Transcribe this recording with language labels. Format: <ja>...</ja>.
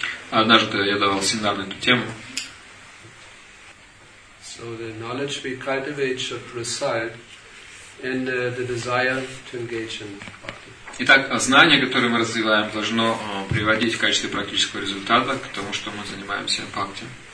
<ru>Однажды я давал семинар на эту тему.</ru> <en>So the knowledge we cultivate should reside in the desire to engage in bhakti.</en> <ru>Итак, знание, которое мы развиваем, должно приводить в качестве практического результата к тому, что мы занимаемся бхакти.</ru>